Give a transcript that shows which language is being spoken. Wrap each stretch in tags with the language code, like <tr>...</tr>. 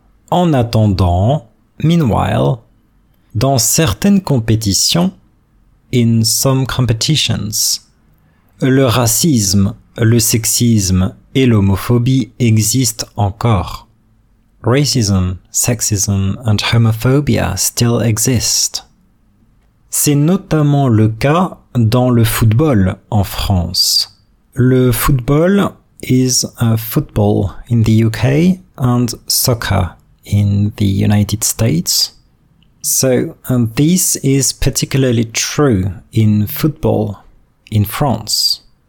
<fr>En attendant,</fr> <en>meanwhile,</en> <fr>dans certaines compétitions,</fr> <en>in some competitions,</en> <fr>le racisme, le sexisme et l'homophobie existent encore.</fr> <en>Racism, sexism and homophobia still exist.</en> <fr>C'est notamment le cas dans le football en France.</fr> <en>Le football is football in the UK and soccer in the United States. So, this is particularly true in football in France.</en>